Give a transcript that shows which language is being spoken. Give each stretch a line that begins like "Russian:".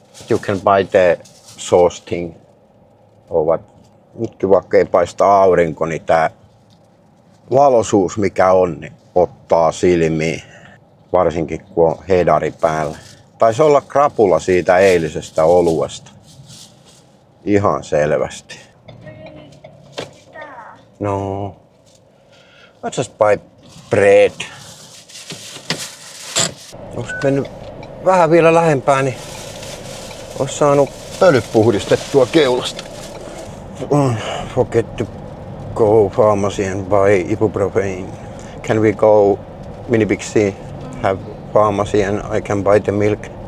English: You can buy the source thing.
Finnish: Ovat. Nytkin vaikka ei paista aurinko, niin tämä valoisuus mikä on, niin ottaa silmiin. Varsinkin kun on hedari päällä. Taisi olla krapula siitä eilisestä oluesta. Ihan selvästi.
English: No. Let's just buy bread.
Finnish: Olis mennyt vähän vielä lähempää, niin olis saanut pölyt puhdistettua keulasta.
English: Forget to go pharmacy and buy ibuprofen. Can we go mini bixi have pharmacy and I can buy the milk?